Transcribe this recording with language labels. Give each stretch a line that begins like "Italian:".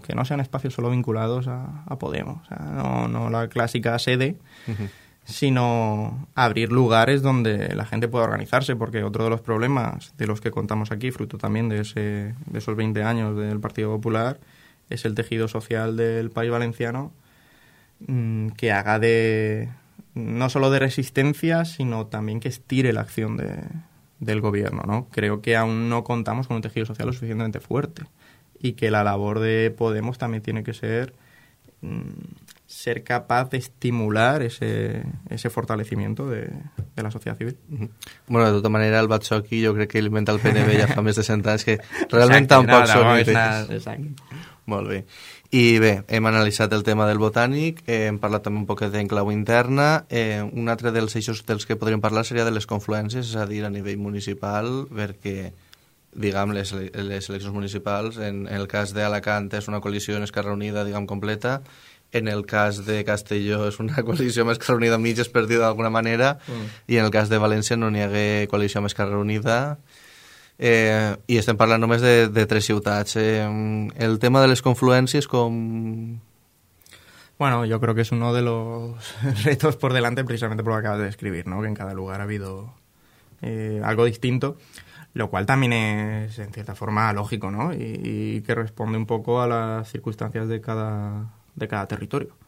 Spanish: Que no sean espacios solo vinculados a Podemos, o sea, no la clásica sede, sino abrir lugares donde la gente pueda organizarse, porque otro de los problemas de los que contamos aquí, fruto también de esos 20 años del Partido Popular, es el tejido social del País Valenciano, que haga de no solo de resistencia, sino también que estire la acción del gobierno, ¿no? Creo que aún no contamos con un tejido social lo suficientemente fuerte y que la labor de Podemos también tiene que ser capaz de estimular ese fortalecimiento de la sociedad civil.
Catalan: Bueno, de tota manera, el Batxoqui jo crec que inventa el PNB ja fa més de 100 anys, que realment tampoc són idees. Molt bé. I bé, hem analitzat el tema del Botànic, hem parlat també un poquet d'enclau interna. Un altre dels eixos dels que podríem parlar seria de les confluències, és a dir, a nivell municipal, perquè, diguem, les eleccions municipals, en el cas d'Alacant és una coalició en Esquerra Unida, diguem, completa. En el cas de Castelló és una coalició amb Esquerra Unida mig perdida d'alguna manera. I en el cas de València no n'hi hagué coalició amb Esquerra Unida. I estem parlant només de tres ciutats. El tema de les confluències com...
Spanish: Bueno, yo creo que es uno de los retos por delante, precisamente por lo que acabas de describir, ¿no? Que en cada lugar ha habido algo distinto, lo cual también es, en cierta forma, lógico, ¿no? Y que responde un poco a las circunstancias de cada territorio.